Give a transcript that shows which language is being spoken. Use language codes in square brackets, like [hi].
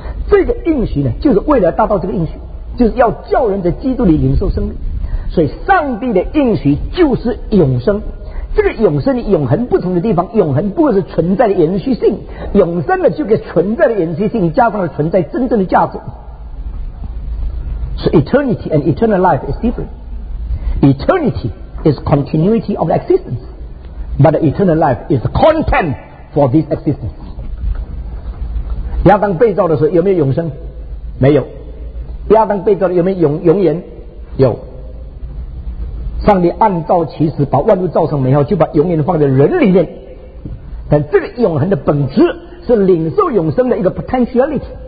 [zh] 这个应许呢就是为了达到这个应许，就是要叫人在基督里领受生命。所以上帝的应许就是永生，这个永生的永恒不同的地方，永恒不是存在的延续性，永生的就给存在的延续性加上了存在真正的价值。 [en] So eternity and eternal life is different. Eternity is continuity of existenceBut the eternal life is the content for this existence. [zh] 亚当被造的时候有没有永生？没有。亚当被造的有没有永远？有。上帝按照其实把万物造成美好，就把永远放在人里面。但这个永恒的本质是领受永生的一个 potentiality。